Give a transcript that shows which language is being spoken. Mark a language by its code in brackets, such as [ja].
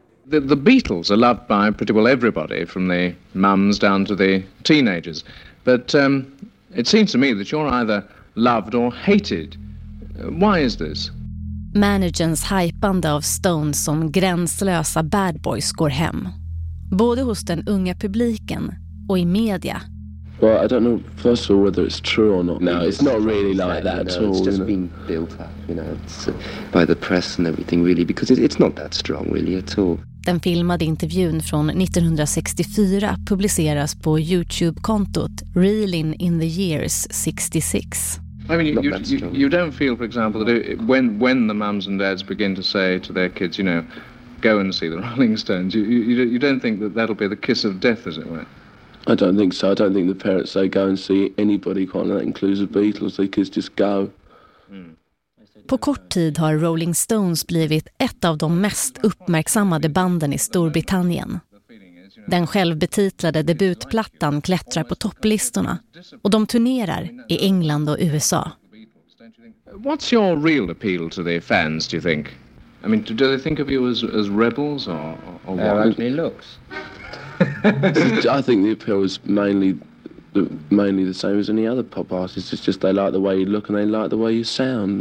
[en] The Beatles are loved by pretty well everybody, from the mums down to the teenagers. But it seems to me that you're either loved or hated. Why is this? [sv] Managerns hypande av Stones som gränslösa bad boys går hem. Både hos den unga publiken och i media. [en] Well, I don't know, first of all, whether it's true or not. No, it's not really like that at all. It's just been built up, you know, by the press and everything, really, because it's not that strong, really, at all. [sv] Den filmade intervjun från 1964 publiceras på YouTube-kontot Reeling in the Years 66. [en] I mean, you don't feel, for example, that when the mums and dads begin to say to their kids, you know, go and see the Rolling Stones, you don't think that that'll be the kiss of death, as it were? I don't think so. I don't think the parents say go and see anybody, quite that includes the Beatles. They kids just go. [sv] På kort tid har Rolling Stones blivit ett av de mest uppmärksammade banden i Storbritannien. Den självbetitlade debutplattan klättrar på topplistorna och de turnerar i England och USA. [en] What's your real appeal to the fans, do you think? I mean, do they think of you as rebels or what? Actually looks. I think the appeal is mainly the same as any other pop artist. It's just they like the way you look and they like the way you sound.